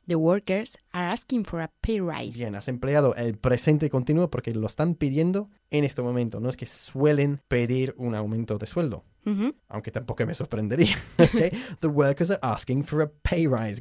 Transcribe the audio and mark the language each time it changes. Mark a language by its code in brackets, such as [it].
[en] The workers are asking for a pay rise. [es] Bien, has empleado el presente continuo porque lo están pidiendo en este momento. No es que suelen pedir un aumento de sueldo. Mm-hmm. Aunque tampoco me sorprendería. Okay. [en] The workers are asking for a pay rise.